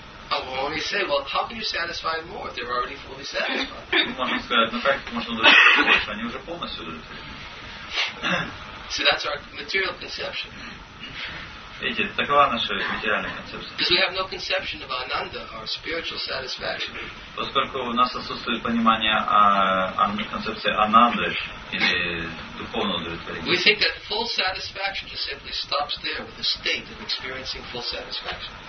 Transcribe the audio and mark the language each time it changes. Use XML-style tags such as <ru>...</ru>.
<en>Well, you say, well, how can you satisfy more if they're already fully satisfied? So that's our material conception. Because we have no conception of ananda, our spiritual satisfaction.</en> <ru>Поскольку у нас отсутствует понимание о концепции ананды или духовного удовлетворения.</ru> <en>We think that full satisfaction just simply stops there with the state of experiencing full satisfaction.</en>